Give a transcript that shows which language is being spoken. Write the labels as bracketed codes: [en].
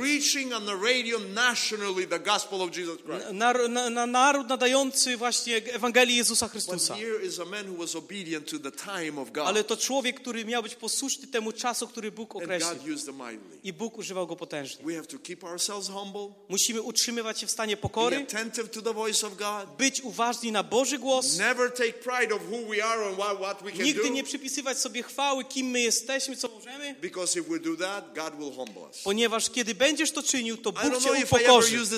[en] Preaching on the radio nationally the gospel of Jesus Christ. [pl] Na naród nadający właśnie Ewangelię Jezusa Chrystusa. [en] But here is a man who was obedient to the time of God. [pl] Ale to człowiek, który miał być posłuszny temu czasu, który Bóg określił. [en] And God used him mightily. [pl] I Bóg używał go potężnie. [en] We have to keep ourselves humble. [pl] Musimy utrzymywać się w stanie pokory. [en] Be attentive to the voice of God. [pl] Być uważni na Boży głos. [en] Never take pride of who we are and what we can do. [pl] Nigdy nie przypisywać sobie chwały, kim my jesteśmy, co możemy. [en] Because if we do that, God will humble. [pl] Ponieważ kiedy będziesz to czynił, to Bóg cię upokorzy.